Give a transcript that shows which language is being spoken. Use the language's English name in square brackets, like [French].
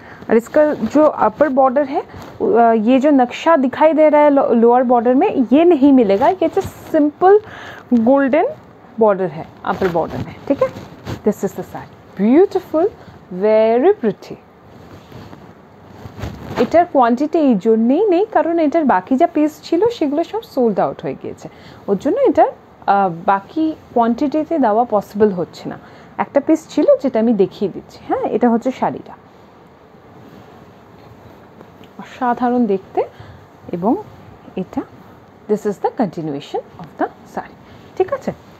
[Hindi] और इसका जो upper border है, ये जो नक्शा दिखाई दे रहा है lower border में, ये नहीं मिलेगा, ये [English] just simple golden border [Hindi] है upper border में, ठीक है। [English] This is the side, beautiful, very pretty। [Bangla] এটার কোয়ান্টিটি এই জন্যেই নেই কারণ এটার বাকি যা পিস ছিল সেগুলো সব সোল্ড আউট হয়ে গিয়েছে, ওর জন্য এটার বাকি কোয়ান্টিটিতে দেওয়া পসিবল হচ্ছে না। একটা পিস ছিল যেটা আমি দেখিয়ে দিচ্ছি, হ্যাঁ এটা হচ্ছে শাড়িটা, অসাধারণ দেখতে, এবং এটা [English] this is the continuation of the sari, [Bangla] ঠিক আছে।